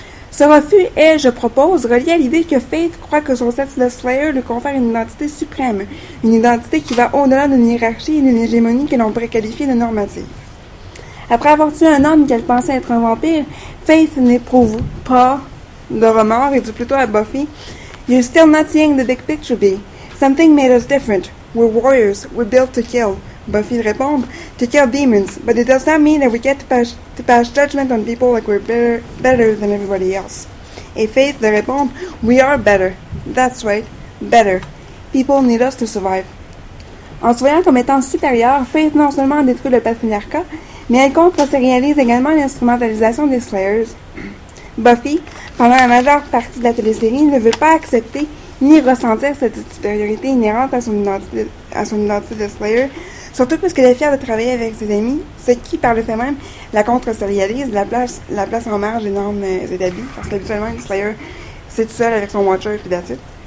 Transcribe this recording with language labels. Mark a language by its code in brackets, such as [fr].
[fr] Ce refus est, je propose, relié à l'idée que Faith croit que son statut de Slayer lui confère une identité suprême, une identité qui va au-delà d'une hiérarchie et d'une hégémonie que l'on pourrait qualifier de normative. Après avoir tué un homme qu'elle pensait être un vampire, Faith n'éprouve pas de remords et dit plutôt à Buffy « [en] You're still not seeing the big picture, B. Something made us different. We're warriors. We're built to kill. » [fr] Buffy répond, [en] « To kill demons, but it does not mean that we get to pass judgment on people like we're better than everybody else. » [fr] Et Faith de répondre, [en] « We are better. That's right. Better. People need us to survive. [fr] » En se voyant comme étant supérieure, Faith non seulement détruit le patriarcat, mais elle contre se réalise également l'instrumentalisation des Slayers. Buffy, pendant la majeure partie de la télésérie, ne veut pas accepter ni ressentir cette supériorité inhérente à son identité de Slayer, surtout parce qu'elle est fière de travailler avec ses amis, ce qui, par le fait même, la contre-sérialise, la place en marge des normes établies, parce qu'habituellement, une Slayer, c'est tout seul avec son Watcher et puis d'habitude.